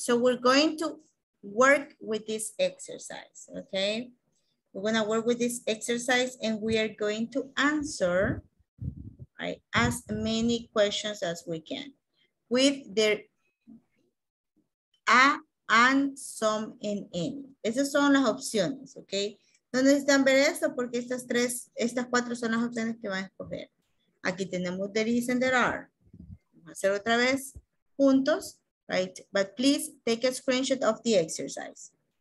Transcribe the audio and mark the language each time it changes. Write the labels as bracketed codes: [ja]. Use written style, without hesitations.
[en] So we're going to work with this exercise, okay? We're going to work with this exercise and we are going to answer, right, as many questions as we can with their a and some and any. [es] Esas son las opciones, okay? No necesitan ver esto porque estas cuatro son las opciones que van a escoger. Aquí tenemos [en] there is and there are. [es] Vamos a hacer otra vez juntos. [en] Right, but please take a screenshot of the exercise.